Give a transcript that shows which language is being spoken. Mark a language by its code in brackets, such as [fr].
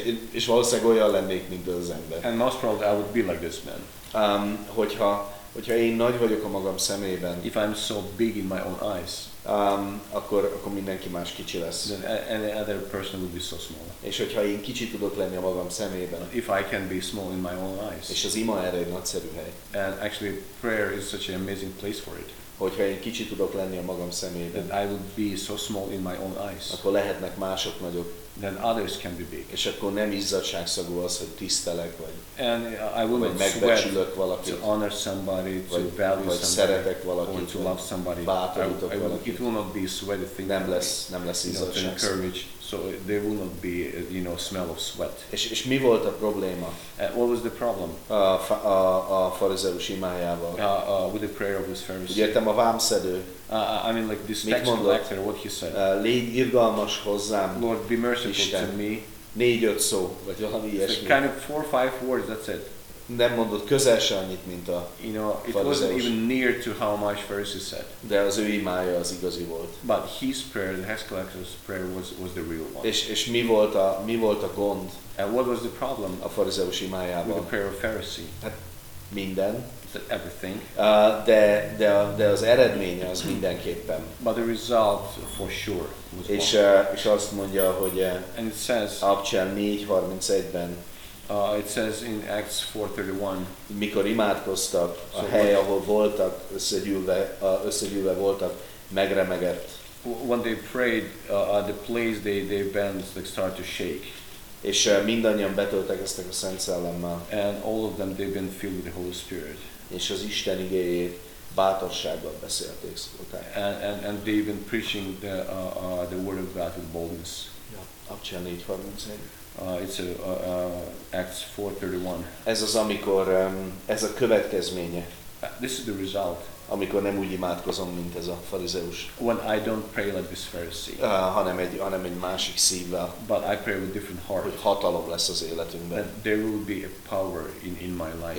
[hu] És valószínűleg olyan lennék, mint az ember. [en] And most probably I would be like this man. [hu] Hogyha én nagy vagyok a magam szemében, [en] if I'm so big in my own eyes, [hu] akkor mindenki más kicsi lesz. [en] Then any other person would be so small. [hu] És hogyha én kicsi tudok lenni a magam szemében, [en] if I can be small in my own eyes, [hu] és az ima erre egy nagyszerű hely. [en] And actually, prayer is such an amazing place for it. [hu] Hogyha én kicsi tudok lenni a magam szemében, [en] then I would be so small in my own eyes. [hu] Akkor lehetnek mások nagyok. [en] Then others can be big. [hu] És akkor nem izzadságszagú az, hogy tisztelek vagy. [en] And I will [hu] vagy megbecsülök valakit. [en] To honor somebody, to [hu] vagy, [en] value [hu] vagy [en] somebody, [hu] szeretek valakit, [en] or to love somebody. [hu] Bátorítok valakit. [en] It will not be sweaty thing. [hu] Nem lesz izzadságszagú. [en] So there will not be, you know, smell of sweat. [hu] És mi volt a probléma? [en] What was the problem? [hu] A farizeus imájával. [en] With the prayer of this Pharisee. [hu] Értem a vámszedő. [en] I mean, like this tax collector, what he said. [hu] Légy irgalmas hozzám, [en] Lord, be merciful [hu] Isten. [en] To me. [hu] 4-5 szó, vagy valami ilyesmi. [en] Kind of 4-5 words, that's it. [hu] Nem mondott közel se annyit, mint a [en] you know, it farizeus. Wasn't even near to how much Pharisee said. [hu] De az ő imája az igazi volt. [en] But his prayer, the tax collector's prayer, was the real one. [hu] És mi volt a gond? [en] And what was the problem? [hu] A farizeus imájában. [en] With the prayer of Pharisee. [hu] Minden. [en] That everything. [hu] De az eredménye az mindenképpen. [en] But the result for sure was one. [hu] És azt mondja, hogy [en] and it says, [hu] Abcsel 4.31-ben [en] it says in Acts 4.31 [hu] mikor imádkoztak, so a hely, ahol voltak, összegyűlve voltak, megremegett. [en] When they prayed, the place they bent, like start to shake. [hu] És mindannyian betöltekeztek a Szent Szellemmel. [en] And all of them, they've been filled with the Holy Spirit. [hu] És az Isten igéjét bátorsággal beszélték szóltak. [en] And they've been preaching the word of God with boldness. [hu] Abcsel 4.31. [en] Acts 4.31. [hu] Ez az, amikor, ez a következménye. [en] This is the result. [hu] Amikor nem úgy imádkozom, mint ez a farizeus. [en] When I don't pray like this Pharisee. [hu] Hanem egy másik szívvel. [en] But I pray with different heart. [hu] Hogy hatalom lesz az életünkben. [en] That there will be a power in my life.